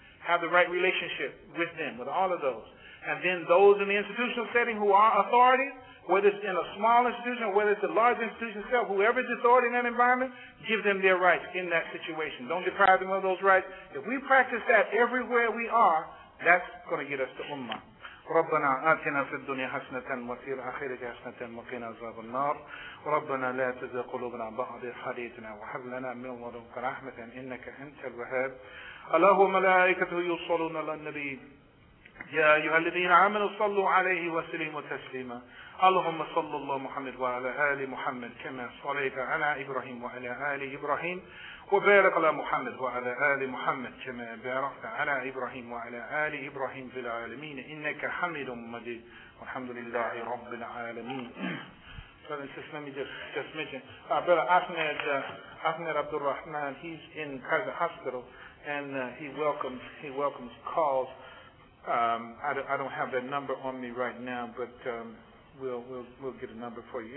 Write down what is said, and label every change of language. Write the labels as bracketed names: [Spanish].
[English] Have the right relationship with them, with all of those. And then those in the institutional setting who are authority, whether it's in a small institution or whether it's a large institution itself, whoever is authority in that environment, give them their rights in that situation. Don't deprive them of those rights. If we practice that everywhere we are, that's going to get us to ummah. [Arabic] ربنا آتنا في الدنيا حسنة وفي الآخرة حسنة وقنا عذاب النار. ربنا لا تزغ قلوبنا بعد إذ هديتنا وهب لنا من لدنك رحمة إنك أنت الوهاب. الله وملائكته يصلون على النبي. يا أيها الذين آمنوا صلوا عليه وسلموا تسليما. اللهم صل الله محمد وعلى آل محمد كما صليت على إبراهيم وعلى آل إبراهيم وبارك على محمد وعلى آل محمد كما باركت على إبراهيم وعلى آل إبراهيم في العالمين إنك حميد مجيد والحمد لله رب العالمين. [English] just mentioned brother Ahmed Abdul Rahman, he's in Kaiser Hospital and he welcomes calls. I don't have that number on me right now, but We'll get a number for you.